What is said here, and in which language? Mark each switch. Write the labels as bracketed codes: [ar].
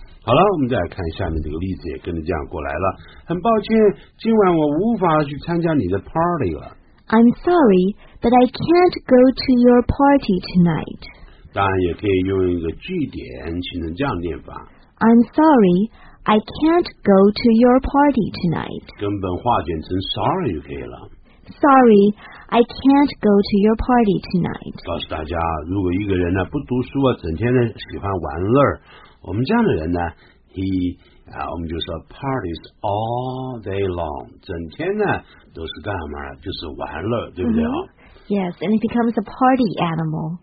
[zh] 好了，我们再来看下面这个例子，也跟着这样过来了。很抱歉，今晚我无法去参加你的 party 了。 [en] I'm sorry, but I can't go to your party tonight. [zh] 当然也可以用一个句点，形成这样念法。 [en] I'm sorry, I can't go to your party tonight. [zh] 根本化简成 sorry 就可以了。 [en] Sorry, I can't go to your party tonight. [zh] 告诉大家，如果一个人呢不读书啊，整天呢喜欢玩乐。我们这样的人呢 我们就说 [en] parties all day long， [zh] 整天呢都是干嘛，就是玩乐，对不对啊？ [en] Yes, and it becomes a party animal.